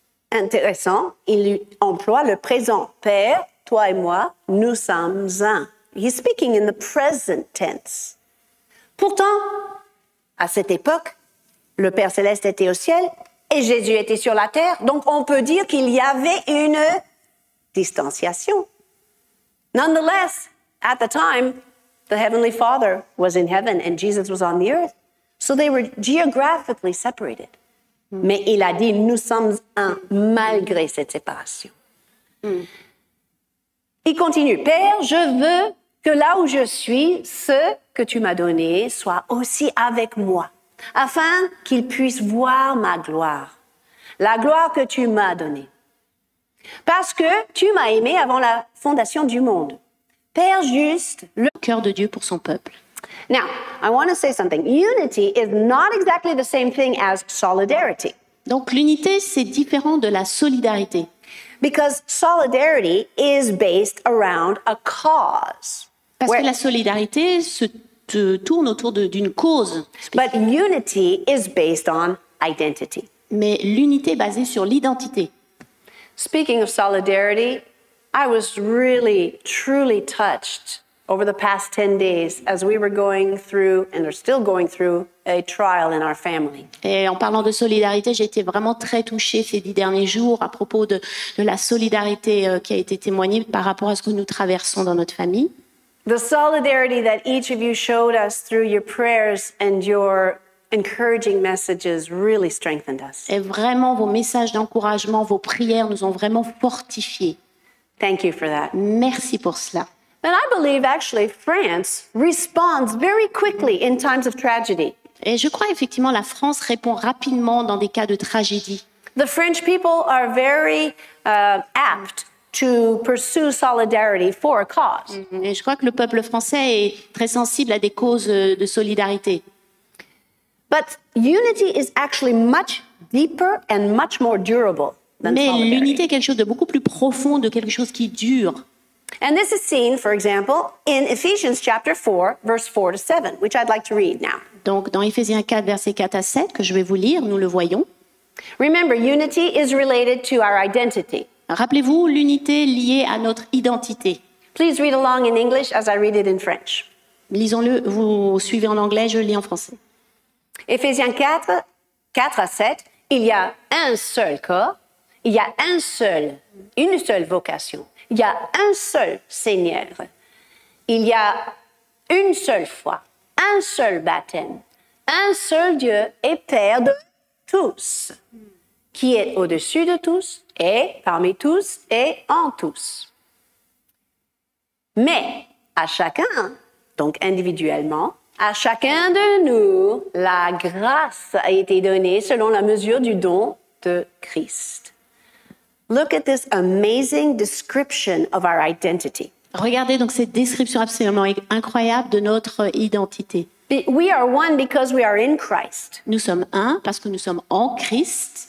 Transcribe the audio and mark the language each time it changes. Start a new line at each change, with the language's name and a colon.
French: Intéressant, il emploie le présent. Père, toi et moi, nous sommes un.
English: He's speaking in the present tense.
French: Pourtant, à cette époque, le Père Céleste était au ciel et Jésus était sur la terre. Donc, on peut dire qu'il y avait une distanciation.
English: Nonetheless, at the time, the Heavenly Father was in heaven and Jesus was on the earth. So they were geographically separated.
French: Mais il a dit, nous sommes un malgré cette séparation. Il continue, Père, je veux que là où je suis, ce que tu m'as donné soit aussi avec moi, afin qu'ils puissent voir ma gloire, la gloire que tu m'as donnée. Parce que tu m'as aimé avant la fondation du monde. Père juste, le cœur de Dieu pour son peuple.
English: Now, I want to say something. Unity is not exactly the same thing as solidarity.
French: Donc l'unité, c'est différent de la solidarité.
English: Because solidarity is based around a cause.
French: Parce que la solidarité se tourne autour d'une cause. Spécifique.
English: But unity is based on identity.
French: Mais l'unité est basée sur l'identité.
English: Speaking of solidarity, I was really, truly touched over the past 10 days, as we were going through and are still going through a trial in our family.
French: Et en parlant de solidarité, j'ai été vraiment très touchée ces 10 derniers jours à propos de la solidarité qui a été témoignée par rapport à ce que nous traversons dans notre famille.
English: The solidarity that each of you showed us through your prayers and your encouraging messages really strengthened us.
French: Et vraiment, vos messages d'encouragement, vos prières nous ont vraiment fortifiés.
English: Thank you for that.
French: Merci pour cela.
English: And I believe actually France responds very quickly in times of tragedy.
French: Et je crois effectivement la France répond rapidement dans des cas de tragédie.
English: The French people are very apt to pursue solidarity for a cause.
French: Et je crois que le peuple français est très sensible à des causes de solidarité.
English: But unity is actually much deeper and much more durable than solidarity.
French: Mais l'unité est quelque chose de beaucoup plus profond, de quelque chose qui dure.
English: And this is seen, for example, in Ephesians chapter 4, verse 4 to 7, which I'd like to read now.
French: Donc, dans Ephésiens 4, versets 4 à 7, que je vais vous lire, nous le voyons.
English: Remember, unity is related to our identity.
French: Rappelez-vous, l'unité est liée à notre identité.
English: Please read along in English as I read it in French.
French: Lisons-le, vous suivez en anglais, je lis en français. Ephésiens 4, 4 à 7, il y a un seul corps, il y a une seule vocation. Il y a un seul Seigneur, il y a une seule foi, un seul baptême, un seul Dieu et Père de tous, qui est au-dessus de tous et parmi tous et en tous. Mais à chacun, donc individuellement, à chacun de nous, la grâce a été donnée selon la mesure du don de Christ.
English: Look at this amazing description of our identity.
French: Regardez donc cette description absolument incroyable de notre identité.
English: We are one because we are in Christ.
French: Nous sommes un parce que nous sommes en Christ.